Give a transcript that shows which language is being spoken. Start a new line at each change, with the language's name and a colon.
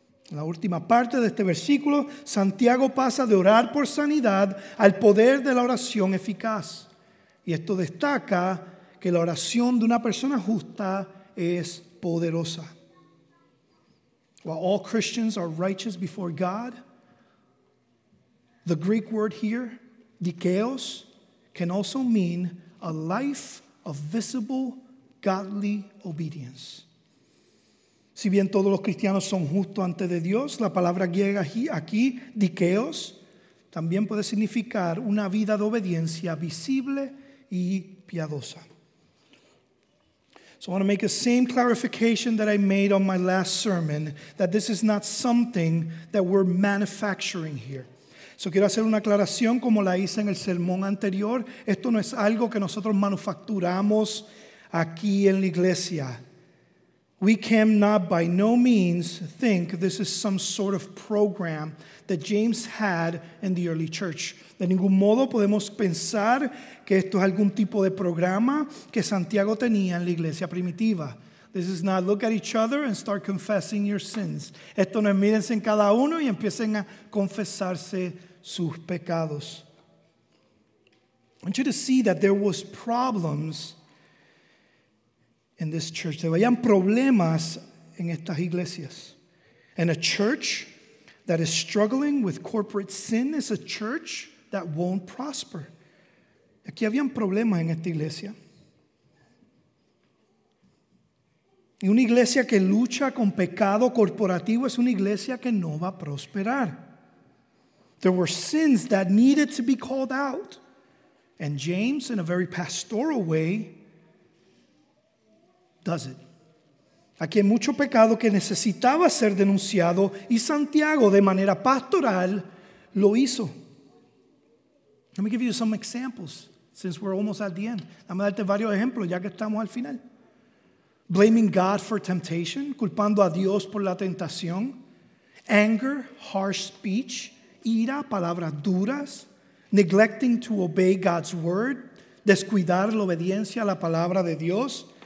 Spanish: En la última parte de este versículo, Santiago pasa de orar por sanidad al poder de la oración eficaz. Y esto destaca que la oración de una persona justa es poderosa.
English: While all Christians are righteous before God, the Greek word here, dikaios, can also mean a life of visible godly obedience.
Spanish: Si bien todos los cristianos son justos ante de Dios, la palabra griega aquí, dikaios, también puede significar una vida de obediencia visible y piadosa.
English: So I want to make the same clarification that I made on my last sermon, that this is not something that we're manufacturing here.
Spanish: So quiero hacer una aclaración como la hice en el sermón anterior. Esto no es algo que nosotros manufacturamos aquí en la iglesia.
English: We cannot by no means think this is some sort of program that James had in the early church.
Spanish: De ningún modo podemos pensar que esto es algún tipo de programa que Santiago tenía en la iglesia primitiva.
English: This is not look at each other and start confessing your sins.
Spanish: Esto no es mírense en cada uno y empiecen a confesarse sus pecados.
English: I want you to see that there was problems in this church.
Spanish: Se veían problemas en estas iglesias.
English: And a church that is struggling with corporate sin is a church that won't prosper.
Spanish: Aquí habían problemas en esta iglesia. Y una iglesia que lucha con pecado corporativo es una iglesia que no va a prosperar.
English: There were sins that needed to be called out. And James, in a very pastoral way, does it.
Spanish: Aquí hay mucho pecado que necesitaba ser denunciado y Santiago, de manera pastoral, lo hizo.
English: Let me give you some examples, since we're almost at the end.
Spanish: Dame darte varios ejemplos, ya que estamos al final.
English: Blaming God for temptation,
Spanish: culpando a Dios por la tentación.
English: Anger, harsh speech,
Spanish: ira, palabras duras.
English: Neglecting to obey God's word,
Spanish: descuidar la obediencia a la palabra de Dios.